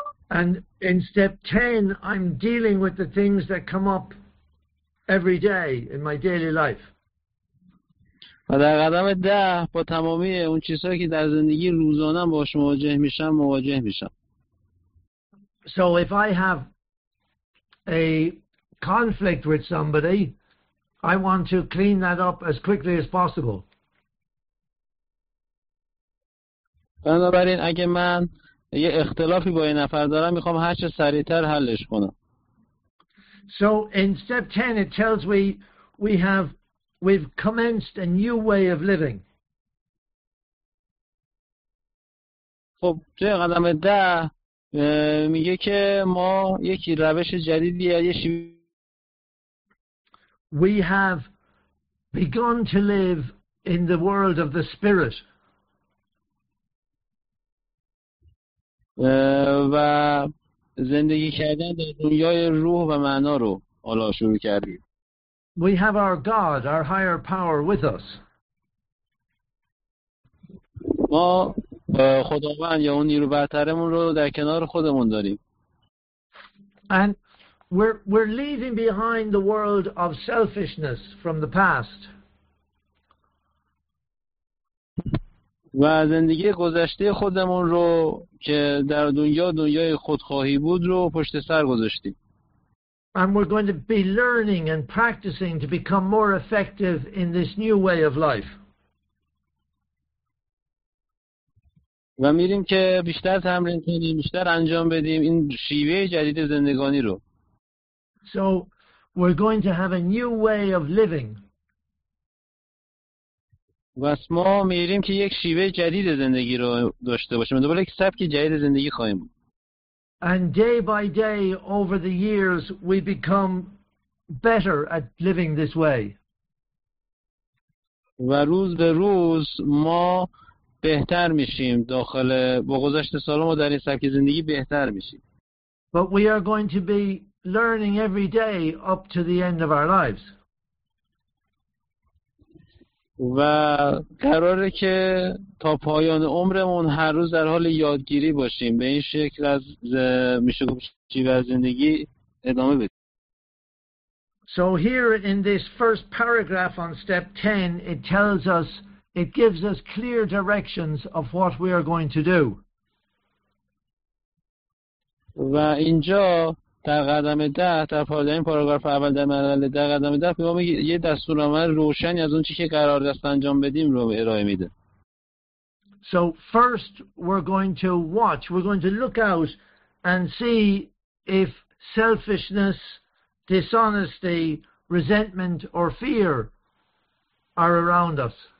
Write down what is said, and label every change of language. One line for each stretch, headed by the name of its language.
English: And in step 10 I'm dealing with the things that come up every day in my daily life.
Persian: و در قدم 10 با تمامی اون چیزهایی که در زندگی روزانه باش مواجه میشم.
English: So if I have a conflict with somebody, I want to clean that up as quickly as possible.
Persian: بنابراین اگه من یه اختلافی با یه نفر دارم میخوام هر چه سریعتر حلش کنم.
English: So in step 10 it tells me we've commenced a new way of living.
Persian: خب توی قدم 10 میگه که ما یکی روش جدیدی از یه
English: We have begun to live in the world of the spirit.
Persian: و زندگی کردن در دنیای روح و معنا رو حالا شروع کردیم.
English: We have our God, our higher power with us.
Persian: ما خداوند یا اون نیرو برترمون رو در کنار خودمون داریم.
English: And We're leaving behind the world of selfishness from the past.
Persian: و زندگی گذشته خودمون رو که در دنیای خودخواهی بود رو پشت سر گذاشتیم.
English: And we're going to be learning and practicing to become more effective in this new way of life.
Persian: و می‌ریم که بیشتر تمرین کنیم، بیشتر انجام بدیم این شیوه جدید زندگانی رو.
English: So we're going to have a new way of living.
Persian: بس ما میریم که یک شیوه جدید زندگی رو داشته باشیم. دوباره یک سبک جدید زندگی خواهیم بود.
English: And day by day over the years we become better at living this way.
Persian: و روز به روز ما بهتر میشیم داخل با گذشت سال ما در این سبک زندگی بهتر میشیم.
English: But we are going to be learning every day up to the end of our lives.
Persian: و قراره که تا پایان عمرمون هر روز در حال یادگیری باشیم به این شکل از میشه گفت چی و زندگی ادامه بدیم.
English: So here in this first paragraph on step 10 it tells us, it gives us clear directions of what we are going to do.
Persian: و اینجا در قدم ده در پایان پاراگراف اول در مرحله در قدم ده به ما میگه یه دستورالعمل روشنی از اون چیزی که قرار است انجام بدیم رو ارائه میده.
English: So first we're going to watch, we're going to look out and see if selfishness, dishonesty, resentment or fear are around us.